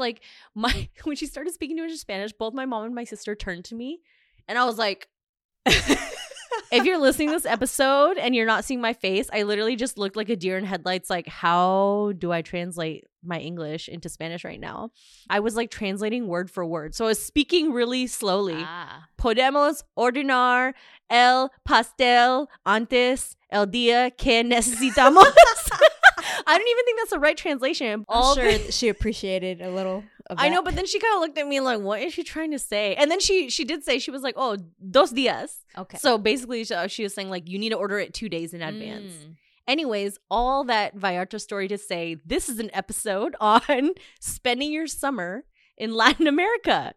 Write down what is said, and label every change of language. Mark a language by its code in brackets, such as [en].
[en] Like when she started speaking to us in Spanish, both my mom and my sister turned to me and I was like, if you're listening to this episode and you're not seeing my face, I literally just looked like a deer in headlights. Like, how do I translate my English into Spanish right now? I was like translating word for word. So I was speaking really slowly. Ah. [es] Podemos ordenar el pastel antes el día que necesitamos. [en] I don't even think that's the right translation. She appreciated a little. I know, but then she kind of looked at me like, what is she trying to say? And then she did say, she was like, oh, [es] dos días. [en] Okay. So basically she was saying like, you need to order it 2 days in advance. Mm. Anyways, all that Vallarta story to say, this is an episode on spending your summer in Latin America.